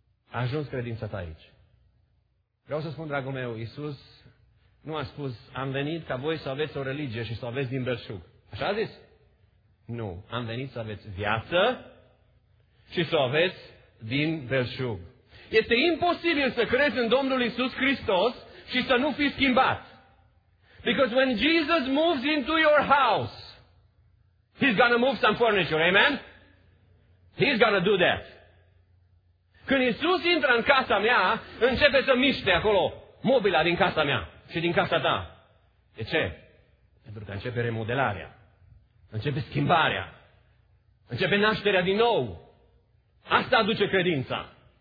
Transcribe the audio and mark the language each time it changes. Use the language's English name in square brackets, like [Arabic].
[Romanian] A ajuns credința ta aici. Vreau să spun, dragul meu, Iisus nu a spus, am venit ca voi să aveți o religie și să o aveți din belșug. Așa a zis? Nu. Am venit să aveți viață și să o aveți din belșug. Este imposibil să crezi în Domnul Iisus Hristos și să nu fii schimbat. [English] Because when Jesus moves into your house, He's going to move some furniture. Amen? He's going to do that. [Romanian] Când Iisus intră în casa mea, începe să miște acolo mobila din casa mea și din casa ta. De ce? Pentru că începe remodelarea. Începe schimbarea. Începe nașterea din nou. Asta aduce credința.